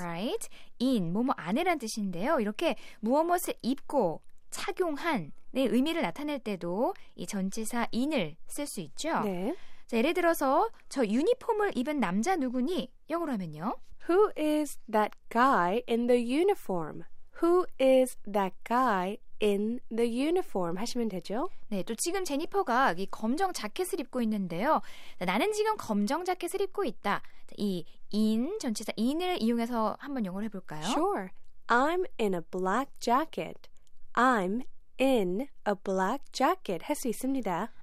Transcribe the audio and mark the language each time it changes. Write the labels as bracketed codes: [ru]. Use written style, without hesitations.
[en] Right. [ko] In, 뭐뭐 안에란 뜻인데요. 이렇게 무엇무엇을 입고 착용한의 의미를 나타낼 때도 이 전치사 in을 쓸 수 있죠. 네. 자, 예를 들어서 저 유니폼을 입은 남자 누구니? 영어로 하면요. [en] Who is that guy in the uniform? Who is that guy in the uniform [ko] 하시면 되죠. 네, 또 지금 제니퍼가 이 검정 자켓을 입고 있는데요. 나는 지금 검정 자켓을 입고 있다. 이 in, 전치사 in을 이용해서 한번 영어로 해볼까요? [en] Sure. I'm in a black jacket. I'm in a black jacket [ko] 할 수 있습니다.